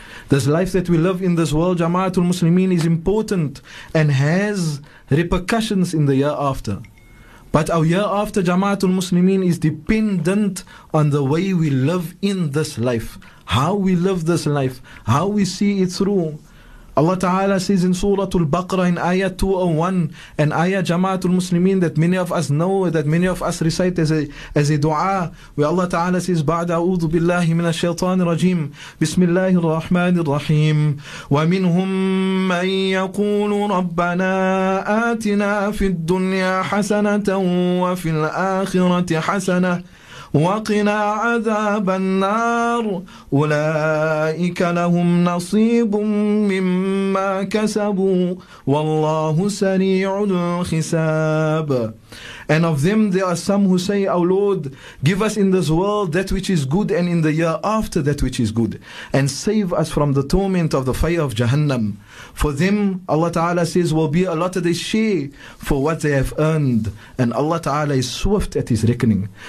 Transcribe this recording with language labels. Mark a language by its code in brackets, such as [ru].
[en] This life that we live in this world, Jama'atul Muslimin, is important and has repercussions in the year after. But our year after, Jama'atul Muslimin, is dependent on the way we live in this life. How we live this life, how we see it through. Allah Ta'ala says in Surah Al-Baqarah in Ayah 201, an ayah, Jama'atul Muslimin, that many of us know, that many of us recite as a dua, where Allah Ta'ala says, [ar] بعد أعوذ بالله من الشيطان الرجيم بسم الله الرحمن الرحيم ومنهم من يقول ربنا آتنا في الدنيا حسنة وفي الآخرة حسنة وقنا عذاب النار أولئك لهم نصيب مما كسبوا والله سريع الحساب. [en] And of them there are some who say, O Lord, give us in this world that which is good and in the year after that which is good, and save us from the torment of the fire of Jahannam. For them, Allah Ta'ala says, will be allotted a share for what they have earned, and Allah Ta'ala is swift at His reckoning.